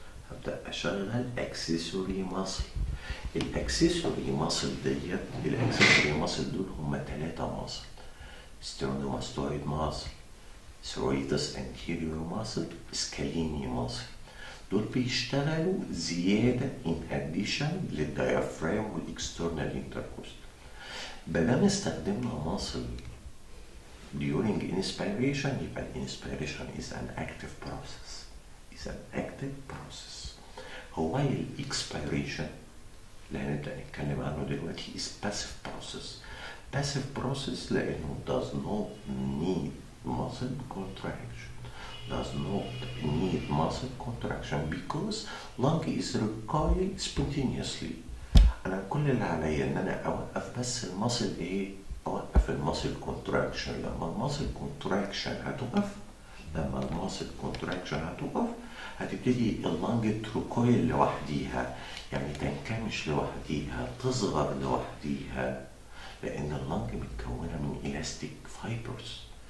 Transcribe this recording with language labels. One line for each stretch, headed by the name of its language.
Arabic: هبدأ أشغل أكسسوري ماسل. الأكسسوري ماسل ديت، الأكسسوري ماسل دول هما ثلاثة ماسل: سترونوماستويد ماسل، سيرويدس أنتيريور ماسل، سكاليني ماسل. دول بيشتغلوا زيادة
English: in addition
Arabic: للديافرام والإكسترنال إنتركوست. بدل ما استخدمنا ماسل
English: during inspiration،
Arabic: يبقى الإنسبيريشن
English: is an active process، is an active process.
Arabic: هو الإكسبيريشن اللي هنبدأ نتكلم عنه دلوقتي
English: is passive process. passive process
Arabic: لأنه
English: does not need muscle contraction. Does not need muscle contraction because lung is recoiling spontaneously.
Arabic: أنا كل اللي علي إن أنا أوقف بس المسل إيه؟ أوقف المسل contraction. لما المسل contraction هتوقف، لما المسل contraction هتوقف، هتبتدي اللنج تروكويل لوحديها، يعني تنكمش لوحديها، تصغر لوحديها، لأن اللنج متكونة من إلاستيك فايبرز.